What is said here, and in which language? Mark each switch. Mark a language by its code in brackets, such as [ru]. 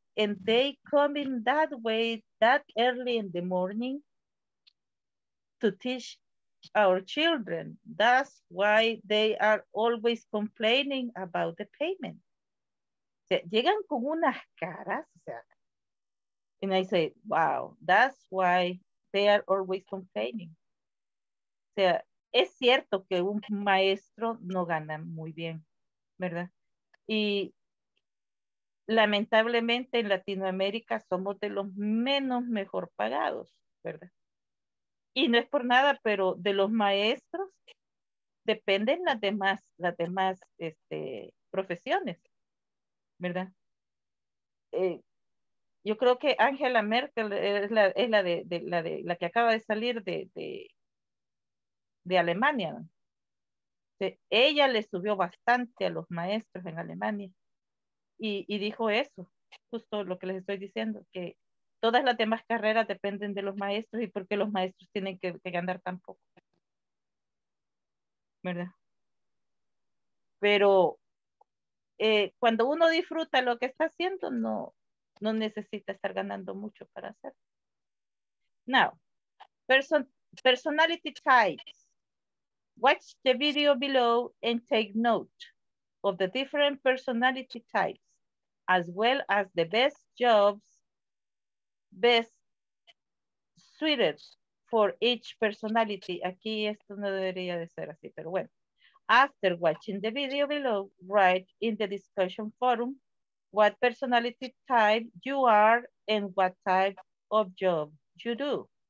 [en] And they come in that way, that early in the morning to teach our children. That's why they are always complaining about the payment. [es] Llegan con unas caras. [en] And I say, wow, that's why they are always complaining. [es] Es cierto que un maestro no gana muy bien, ¿verdad? Y lamentablemente en Latinoamérica somos de los menos mejor pagados, ¿verdad? Y no es por nada, pero de los maestros dependen las demás profesiones, ¿verdad? Yo creo que Angela Merkel es la que acaba de salir de Alemania. Ella le subió bastante a los maestros en Alemania y dijo eso, justo lo que les estoy diciendo, que todas las demás carreras dependen de los maestros y porque los maestros tienen que ganar tan poco, ¿verdad? Pero cuando uno disfruta lo que está haciendo, no necesita estar ganando mucho para hacerlo. [en] Now, personality types. Watch the video below and take note of the different personality types, as well as the best jobs best suited for each personality. [es] Aquí esto no debería de ser así, pero bueno. [en] After watching the video below, write in the discussion forum what personality type you are and what type of job you do.